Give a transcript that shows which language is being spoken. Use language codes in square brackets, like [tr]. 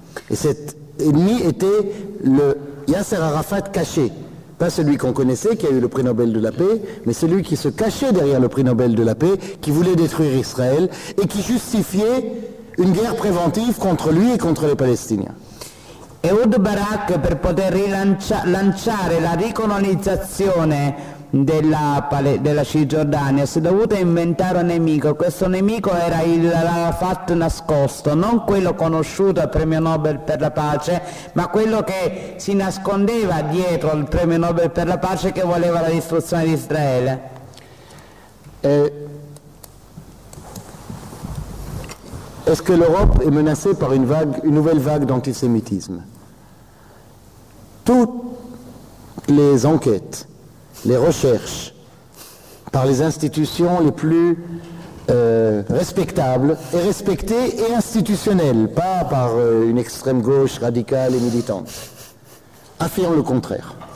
[fr] Et cet ennemi était le Yasser Arafat caché. Pas celui qu'on connaissait, qui a eu le prix Nobel de la paix, mais celui qui se cachait derrière le prix Nobel de la paix, qui voulait détruire Israël et qui justifiait une guerre préventive contre lui et contre les Palestiniens. [it] Ehud Barak, per poter lanciare la ricolonizzazione della Cisgiordania, si è dovuto inventare un nemico. Questo nemico era l'Arafat nascosto, non quello conosciuto al premio Nobel per la pace, ma quello che si nascondeva dietro al premio Nobel per la pace che voleva la distruzione di Israele. [fr] Est-ce que l'Europe est menacée par une nouvelle vague d'antisémitisme? Toutes les enquêtes, les recherches par les institutions les plus respectables et respectées et institutionnelles, pas par une extrême gauche radicale et militante, affirment le contraire.